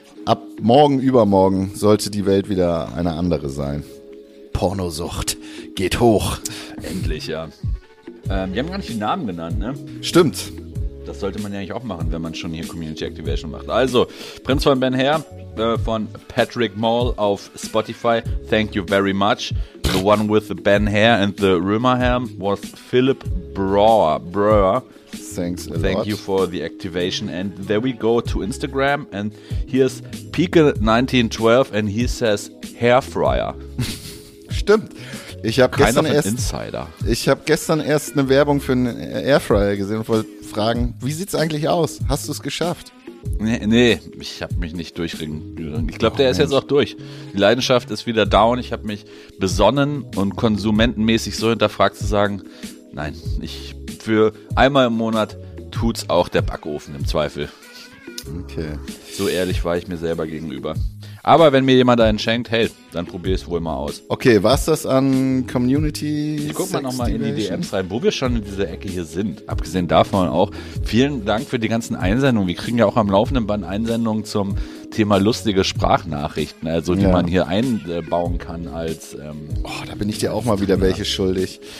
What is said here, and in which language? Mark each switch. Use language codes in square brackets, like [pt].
[de] Ab morgen, übermorgen sollte die Welt wieder eine andere sein. Pornosucht geht hoch. Endlich, ja. Die haben gar nicht die Namen genannt, ne? Stimmt. Das sollte man ja eigentlich auch machen, wenn man schon hier Community Activation macht. Also, Prinz von Ben Hair von Patrick Mall auf Spotify. [en] Thank you very much. The one with the Ben Hair and the Rimmer Hair was Philip Brauer. Thanks a lot. Thank you for the activation. And there we go to Instagram. And here's Pika1912 and he says Hair Fryer. [de] Stimmt. Ich habe gestern erst Insider. Ich habe gestern erst eine Werbung für einen Airfryer gesehen und wollte fragen, wie sieht's eigentlich aus? Hast du es geschafft? Nee, ich habe mich nicht durchringen. Ich glaube, der ist jetzt auch durch. Die Leidenschaft ist wieder down. Ich habe mich besonnen und konsumentenmäßig so hinterfragt zu sagen, nein, ich für einmal im Monat tut's auch der Backofen im Zweifel. Okay. So ehrlich war ich mir selber gegenüber. Aber wenn mir jemand einen schenkt, hey, dann probiere ich es wohl mal aus. Okay, war's das an Community? Ich guck mal nochmal in die DMs rein, wo wir schon in dieser Ecke hier sind. Abgesehen davon auch, vielen Dank für die ganzen Einsendungen. Wir kriegen ja auch am laufenden Band Einsendungen zum Thema lustige Sprachnachrichten, also die man hier einbauen kann als... Da bin ich dir auch mal wieder welche schuldig.